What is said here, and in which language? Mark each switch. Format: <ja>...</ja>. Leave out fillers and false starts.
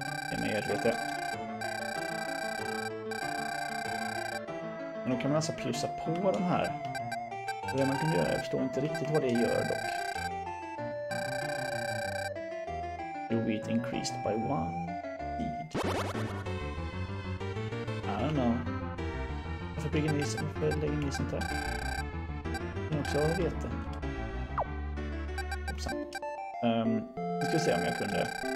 <sv>Det är mer lite. Men då kan man alltså plussa på de här. Det man kan göra, jag förstår inte riktigt vad det gör dock.</sv> <en>Weight increased by one. I don't know.</en> <sv>Varför bygger ni sånt här? Lägger ni sånt här? Jag också har vete. Hoppsan. Nu ska vi se om jag kunde.</sv>